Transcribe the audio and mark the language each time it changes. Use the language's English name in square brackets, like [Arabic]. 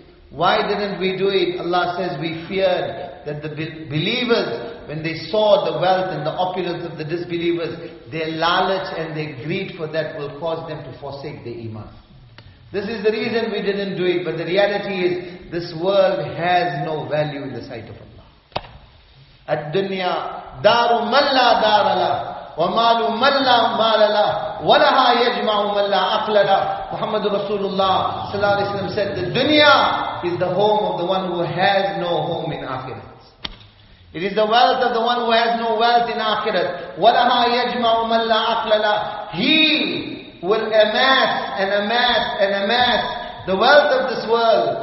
[English] Why didn't we do it? Allah says, we feared that the believers, when they saw the wealth and the opulence of the disbelievers, their lalach and their greed for that will cause them to forsake the iman. This is the reason we didn't do it. But the reality is, this world has no value in the sight of Allah. [Arabic] Ad-dunya daru man la dara la وَمَالُ مَنْ لَا مَالَ لَهُ وَلَهَا يَجْمَعُ مَنْ لَا أَقْلَ لَهُ. [English] Muhammad Rasulullah sallallahu alayhi wa sallam said, the dunya is the home of the one who has no home in akhirat. It is the wealth of the one who has no wealth in akhirat. [Arabic] وَلَهَا يَجْمَعُ مَنْ لَا أَقْلَ لَهُ. [English] He will amass and amass and amass the wealth of this world.